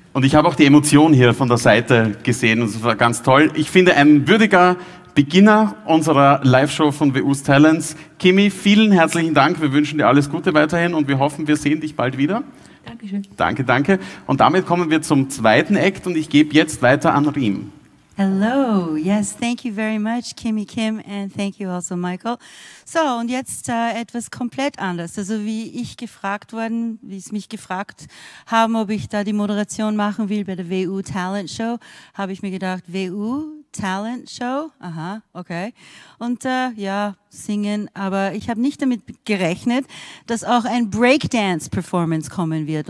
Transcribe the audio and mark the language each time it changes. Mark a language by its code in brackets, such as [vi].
[de] Und ich habe auch die Emotion hier von der Seite gesehen und es war ganz toll. Ich finde, ein würdiger Beginner unserer Live-Show von WU's Talents. Kimi, vielen herzlichen Dank. Wir wünschen dir alles Gute weiterhin und wir hoffen, wir sehen dich bald wieder. Dankeschön. Danke, danke. Und damit kommen wir zum zweiten Act und ich gebe jetzt weiter an Rim. [en] Hello. Yes, thank you very much, Kimi Kim, and thank you also, Michael. [de] So, und jetzt etwas komplett anders. Also wie sie mich gefragt haben, ob ich da die Moderation machen will bei der WU Talent Show, habe ich mir gedacht, WU Talent Show? Aha, okay. Und ja, singen, aber ich habe nicht damit gerechnet, dass auch ein Breakdance-Performance kommen wird.